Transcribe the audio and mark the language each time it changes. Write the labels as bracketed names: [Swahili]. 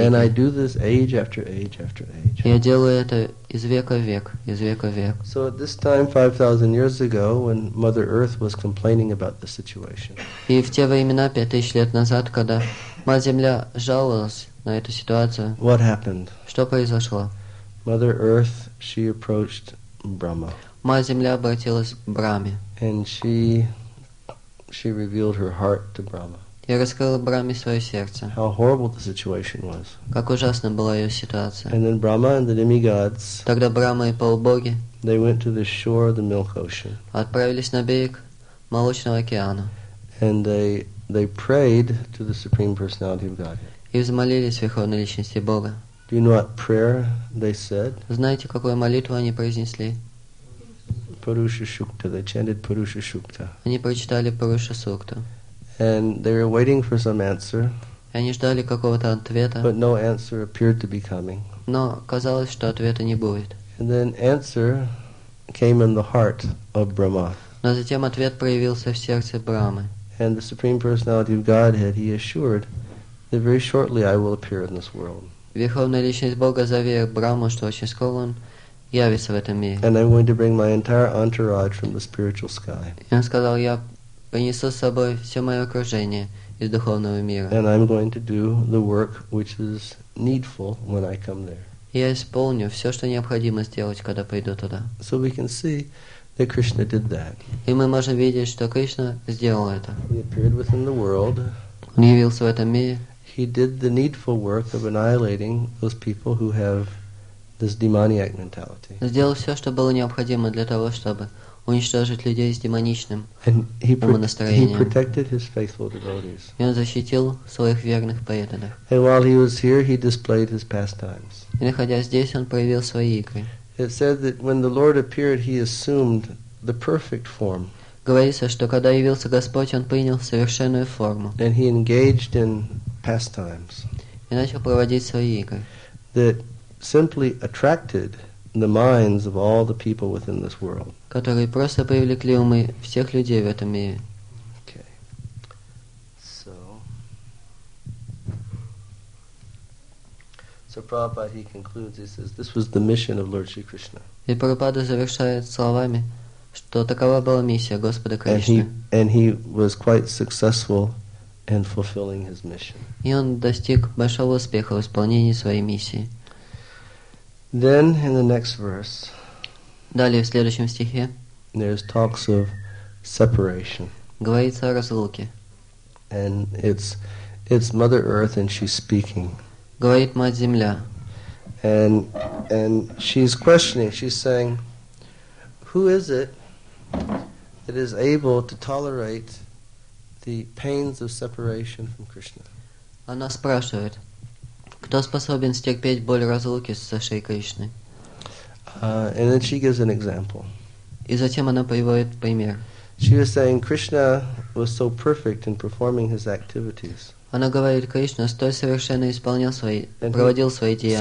[English] And I do this age after age after age. [Russian] Я делаю это из века в век, из века в век. [English] So at this time, 5,000 years ago, when Mother Earth was complaining about the situation. [Russian] И в те времена 5000 лет назад, когда Мать Земля жаловалась на эту ситуацию. [English] What happened? [Russian] Что произошло? [English] Mother Earth, she approached Brahma. [Russian] Мать Земля обратилась к Брахме. [English] And she revealed her heart to Brahma. [Russian] Я раскрыла Брахме свое сердце. [English] How horrible the situation was. [Russian] Как ужасна была ее ситуация. [English] And then Brahma and the demigods. [Russian] Тогда Брахма и полубоги. [English] They went to the shore of the Milk Ocean. [Russian] Отправились на берег Молочного океана. [English] And they prayed to the Supreme Personality of Godhead. [Russian] И взмолились Верховной Личности Бога. [English] Do you know what prayer they said? [Russian] Знаете, какую молитву они произнесли? [English] Purusha Shukta. They chanted Purusha Shukta. [Russian] Они прочитали Purusha Shukta. [English] And they were waiting for some answer. [Russian] Они ждали какого-то ответа. [English] But no answer appeared to be coming. [Russian] Но казалось, что ответа не будет. [English] And then answer came in the heart of Brahma. [Russian] Но затем ответ проявился в сердце Брахмы. [English] And the Supreme Personality of Godhead, He assured that very shortly I will appear in this world. [Russian] Верховная Личность Бога заверила Брахму, что очень скоро он явится в этом мире. [English] And I'm going to bring my entire entourage from the spiritual sky. [Russian] И он сказал, я принесу с собой все мое окружение из духовного мира. [English] And I'm going to do the work which is needful when I come there. [Russian] Я исполню все, что необходимо сделать, когда пойду туда. [English] So we can see that Krishna did that. [Russian] И мы можем видеть, что Кришна сделал это. [English] He appeared within the world. [Russian] Он явился в этом мире. [English] He did the needful work of annihilating those people who have this demoniac mentality. [Russian] Сделал все, что было необходимо для того, чтобы уничтожить людей с демоничным умонастроением. [English] He protected his faithful devotees. [Russian] И он защитил своих верных преданных. [English] And while he was here, he displayed his pastimes. [Russian] И находясь здесь, он проявил свои игры. [English] It said that when the Lord appeared, he assumed the perfect form. [Russian] Говорится, что когда явился Господь, он принял совершенную форму. [English] And he engaged in pastimes. [Russian] И начал проводить свои игры. [English] That simply attracted the minds of all the people within this world. [Russian] Которые просто привлекли умы всех людей в этом мире. [English] Okay. So Prabhupada, he concludes, he says, this was the mission of Lord Shri Krishna. [Russian] И Прабхупада завершает словами, что такова была миссия Господа Кришны. [English] And he was quite successful in fulfilling his mission. [Russian] И он достиг большого успеха в исполнении своей миссии. [English] Then in the next verse. [Russian] Далее в следующем стихе. [English] There is talks of separation. [Russian] Говорится о разлуке. [English] And it's Mother Earth and she's speaking. [Russian] Говорит Мать Земля. [English] And she's questioning. She's saying, who is it that is able to tolerate the pains of separation from Krishna? [Russian] Она спрашивает. Кто способен стерпеть боль разлуки со Шри Кришной? [English] And then she gives an example. [Russian] И затем она приводит пример. [English] She was saying Krishna was so perfect in performing his activities. [Russian] Она говорит, Кришна столь совершенно исполнял свои, проводил свои деяния.